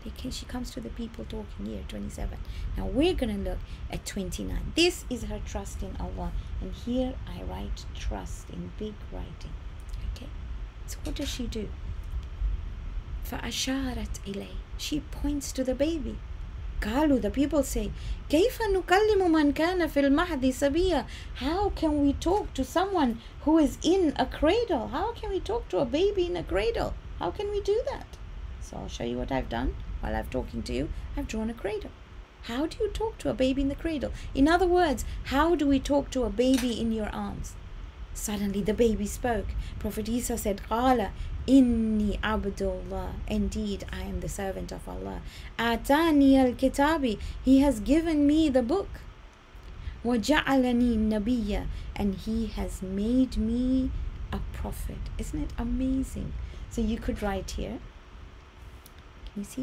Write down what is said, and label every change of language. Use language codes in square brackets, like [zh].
[en] She comes to the people talking here, 27. Now we're going to look at 29. This is her trust in Allah. And here I write trust in big writing. Okay. So what does she do? [ar] فَأَشَارَتْ إِلَيْهِ. [en] She points to the baby. [ar] قالوا, [en] the people say, [ar] كيف نكلم من كان في المهد صبيا? [en] How can we talk to someone who is in a cradle? How can we talk to a baby in a cradle? How can we do that? So I'll show you what I've done while I'm talking to you. I've drawn a cradle. How do you talk to a baby in the cradle? In other words, how do we talk to a baby in your arms? Suddenly the baby spoke. Prophet Isa said, [ar] قَالَ إِنِّي عَبْدُ اللَّهِ. [en] Indeed, I am the servant of Allah. [ar] أَتَانِيَ الْكِتَابِ. [en] He has given me the book. [ar] وَجَعَلَنِي النَّبِيَّ. [en] And he has made me a prophet. Isn't it amazing? So you could write here. Can you see?